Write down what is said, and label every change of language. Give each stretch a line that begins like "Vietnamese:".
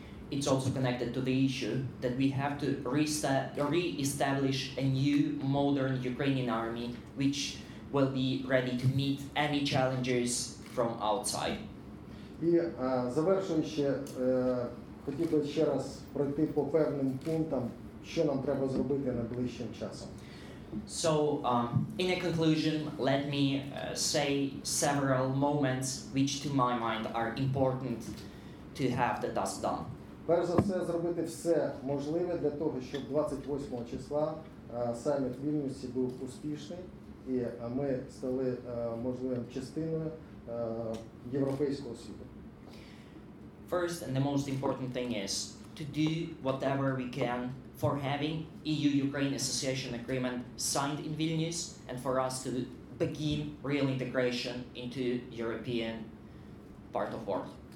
English: It's also connected to the issue that we have to re-establish a new modern Ukrainian army which will be ready to meet any challenges from outside.
Ukrainian: І завершуючи, хотів би ще раз пройти по певним пунктам, що нам треба зробити найближчим часом.
English: So, in a conclusion, let me say several moments which, to my mind, are important to have the task done.
Ukrainian: Перш за все, зробити все можливе для того, щоб 28 числа саміт в Вільнюсі був успішний і ми стали можливим частиною європейського світу.
English: First and the most important thing is to do whatever we can for having EU-Ukraine Association Agreement signed in Vilnius and for us to begin real integration into European part of world.